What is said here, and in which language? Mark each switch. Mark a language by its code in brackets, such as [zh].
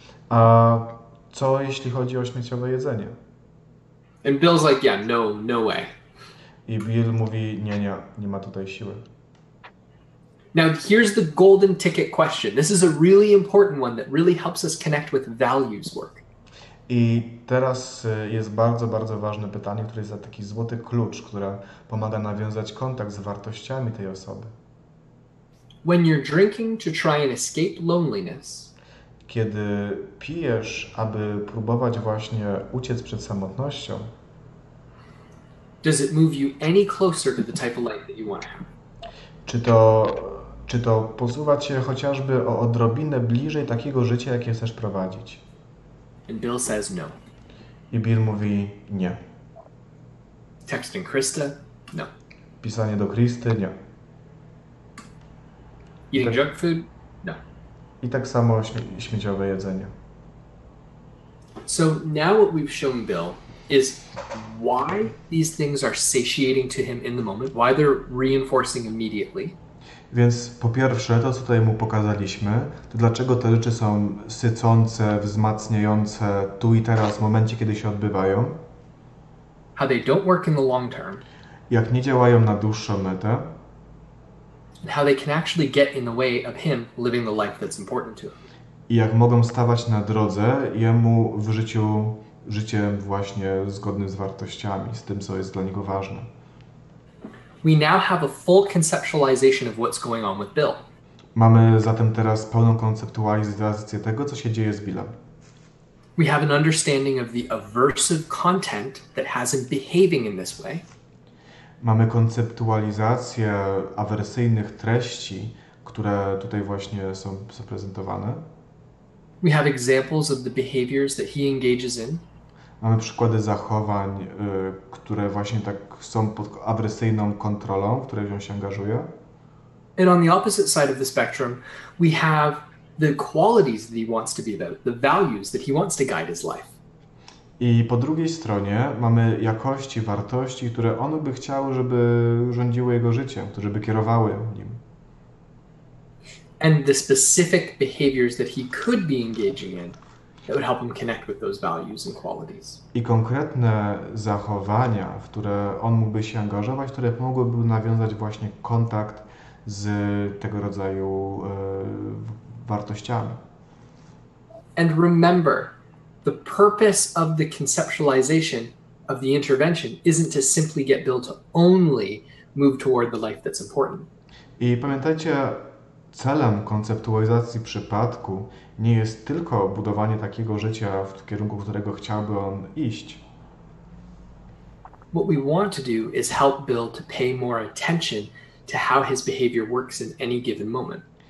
[pl] A co jeśli chodzi o śmieciowe jedzenie? [en] And Bill's like, yeah, no, no way. [pl] I Bill mówi, nie, nie, nie ma tutaj siły. [en] Now here's the golden ticket question. This is a really important one that really helps us connect with values work. [pl] I teraz jest bardzo, bardzo ważne pytanie, które jest za taki złoty klucz, które pomaga nawiązać kontakt z wartościami tej osoby. [en] When you're drinking to try and escape loneliness. [pl] Kiedy pijesz, aby próbować właśnie uciec przed samotnością, [en] does it move you any closer to the type of life that you want to have? [pl] Czy to posuwa cię chociażby o odrobinę bliżej takiego życia, jakie chcesz prowadzić? [en] And Bill says no. [pl] I Bill mówi nie. [en] Texting Krista? No. [pl] Pisanie do Kristy? Nie. [en] Eating junk food? No. [pl] I tak samo śmieciowe jedzenie. [en] So now what we've shown Bill is why these things are satiating to him in the moment, why they're reinforcing immediately. [pl] Więc po pierwsze, to co tutaj mu pokazaliśmy, to dlaczego te rzeczy są sycące, wzmacniające tu i teraz, w momencie, kiedy się odbywają. [en] How they don't work in the long term. [pl] Jak nie działają na dłuższą metę. [en] And how they can actually get in the way of him living the life that's important to him. [pl] I jak mogą stawać na drodze jemu w życiu, życiem właśnie zgodnym z wartościami, z tym, co jest dla niego ważne. [en] We now have a full conceptualization of what's going on with Bill. [pl] Mamy zatem teraz pełną konceptualizację tego, co się dzieje z Billem. [en] We have an understanding of the aversive content that has him behaving in this way. [pl] Mamy konceptualizację awersyjnych treści, które tutaj właśnie są zaprezentowane. [en] We have examples of the behaviors that he engages in. [pl] Mamy przykłady zachowań, które właśnie tak są pod awersyjną kontrolą, w której on się angażuje. [en] And on the opposite side of the spectrum, we have the qualities that he wants to be about, the values that he wants to guide his life. [pl] I po drugiej stronie mamy jakości, wartości, które on by chciał, żeby rządziły jego życiem, które by kierowały nim. [en] And the specific behaviors that he could be engaging in that would help him connect with those values and qualities. [pl] I konkretne zachowania, w które on mógłby się angażować, które pomogłyby nawiązać właśnie kontakt z tego rodzaju wartościami. [en] And remember, the purpose of the conceptualization of the intervention isn't to simply get Bill to only move toward the life that's important. [pl] I pamiętajcie, celem konceptualizacji przypadku nie jest tylko budowanie takiego życia, w kierunku którego chciałby on iść. [en] What we want to do is help Bill to pay more attention to how his behavior works in any given moment.